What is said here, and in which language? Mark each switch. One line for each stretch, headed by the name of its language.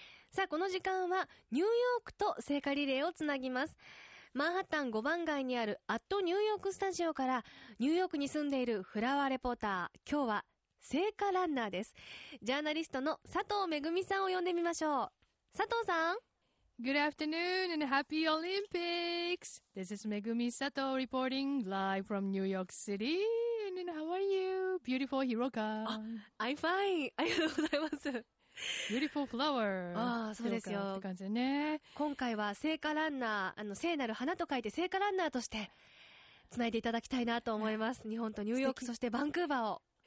Japanese: さあこの時間はニューヨークと聖火リレーをつなぎます。マンハッタン5番街にあるアットニューヨークスタジオからニューヨークに住んでいるフラワーレポーター、今日は聖火ランナーです。ジャーナリストの佐藤めぐみさんを呼んでみましょう。佐藤さん、
English: Good afternoon and happy Olympics. This is Megumi Sato reporting live from New York City. And how are you, beautiful Hiroka? I'm fine.
Japanese: ありがとうございます。
English: Beautiful flower.
Japanese: ああ、そうですよ。って感じでね。今回は聖火ランナー、聖なる花と書いて聖火ランナーとして、つないでいただきたいなと思います。日本とニューヨーク、そしてバンクーバーを。